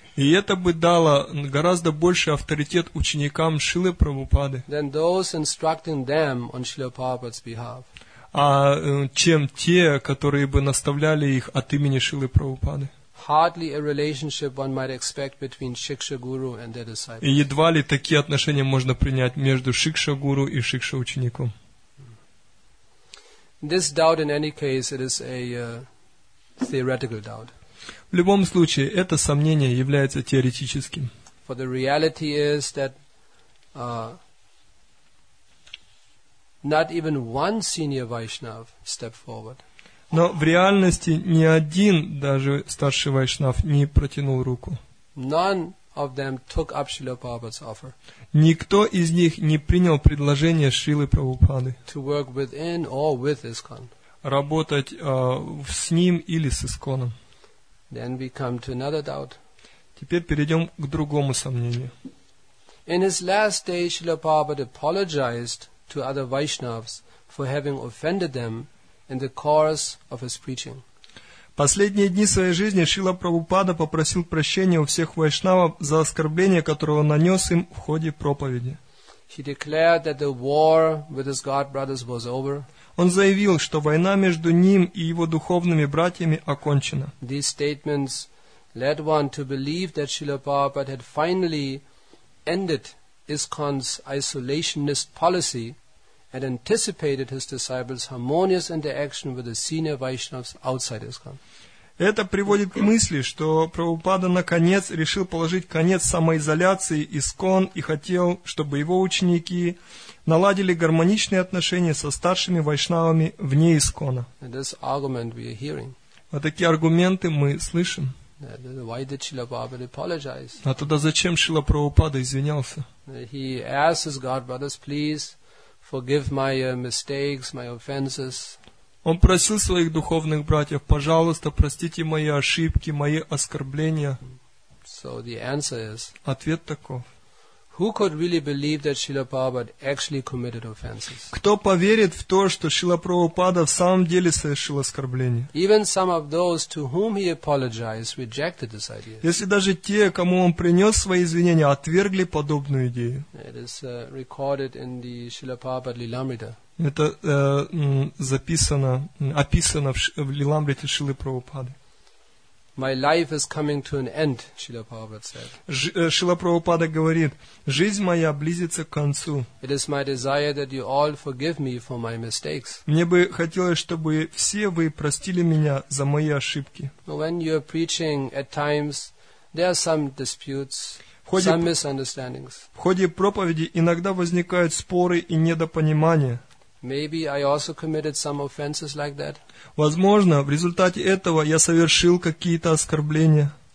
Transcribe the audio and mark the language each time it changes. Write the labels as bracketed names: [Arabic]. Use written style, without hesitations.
[Russian] И это бы дало гораздо больше авторитет ученикам Шрилы Прабхупады. [English] Than those instructing them on Srila Prabhupada's behalf. [Russian] А чем те, которые бы наставляли их от имени Шрилы Прабхупады. [English] Hardly a relationship one might expect between Shiksha Guru and their disciples. [Russian] И едва ли такие отношения можно принять между Шикша Гуру и Шикша учеником. [English] This doubt, in any case, it is a theoretical doubt. [Russian] В любом случае, это сомнение является теоретическим. [English] For the reality is that not even one senior Vaishnav stepped forward. [Russian] Но в реальности ни один даже старший вайшнав не протянул руку. [English] None of them took up Srila Prabhupada's offer. [Russian] Никто из них не принял предложение Шрилы Прабхупады. [English] To work within or with ISKCON. [Russian] Работать с ним или с ИСКОНом. [English] Then we come to another doubt. [Russian] Теперь перейдем к другому сомнению. [English] In his last day, Srila Prabhupada apologized to other Vaishnavs for having offended them. In the course of his preaching. [Russian] Последние дни своей жизни Шрила Прабхупада попросил прощения у всех вайшнавов за оскорбление, которое он нанес им в ходе проповеди. [English] He declared that the war with his god brothers was over. [Russian] Он заявил, что война между ним и его духовными братьями окончена. [English] These statements led one to believe that Srila Prabhupada had finally ended ISKCON's isolationist policy. And anticipated his disciples' harmonious interaction with the senior Vaishnavas outside ISKCON. [Russian] Это приводит к мысли, что Прабхупада наконец решил положить конец самоизоляции ИСККОН и хотел, чтобы его ученики наладили гармоничные отношения со старшими вайшнавами вне ИСККОНа. [English] This argument we are hearing. [Russian] Вот такие аргументы мы слышим. [English] Why did Srila Prabhupada apologize? [Russian] А тогда зачем Шрила Прабхупада извинялся? [English] He asked his god brothers, please. Forgive my mistakes, my offenses. [Russian] Он просил своих духовных братьев, пожалуйста, простите мои ошибки, мои оскорбления. [English] So the answer is. [Russian] Ответ таков. [English] Who could really believe that Srila Prabhupada actually committed offenses? [Russian] Кто поверит в то, что Шрила Прабхупада в самом деле совершил оскорбление? [English] Even some of those to whom he apologized rejected this idea. [Russian] Если даже те, кому он принес свои извинения, отвергли подобную идею. [English] It is recorded in the Srila Prabhupada Lilamrita. [Russian] Это записано, описано в Лиламрите Шрилы Прабхупады. [English] My life is coming to an end, Srila Prabhupada said. [Russian] Шрила Прабхупада говорит, жизнь моя близится к концу. [English] It is my desire that you all forgive me for my mistakes. [Russian] Мне бы хотелось, чтобы все вы простили меня за мои ошибки. [English] When you are preaching, at times there are some disputes, some misunderstandings. [Russian] В ходе проповеди иногда возникают споры и недопонимания. [English] Maybe I also committed some offenses like that. [Russian] Возможно, в результате этого я совершил какие-то оскорбления.